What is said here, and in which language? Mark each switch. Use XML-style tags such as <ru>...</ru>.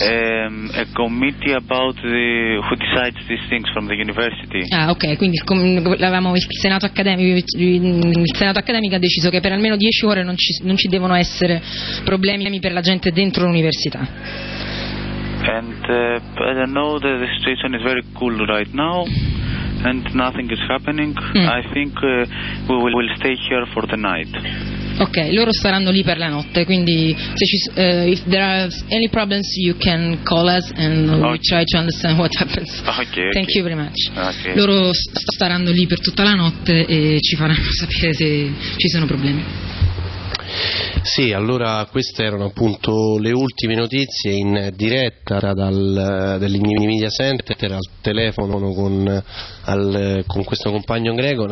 <en>A committee about the who decides these things from the university. Ah, okay.</en> <it>Quindi l'avevamo il senato accademico ha deciso che per almeno 10 ore non ci devono essere problemi per la gente dentro l'università.</it> <en>And I know that the situation is very cool right now. And nothing is happening. Mm. I think we will stay here for the night.</en> <it>Okay, loro staranno lì per la notte. Quindi,</it> <en>if there are any problems, you can call us and we try to understand what happens. Okay. Thank you very much. Okay.</en> <it>Loro staranno lì per tutta la notte e ci faranno sapere se ci sono problemi. Sì, allora queste erano appunto le ultime notizie in diretta dall'Media Center al telefono con questo compagno greco.</it>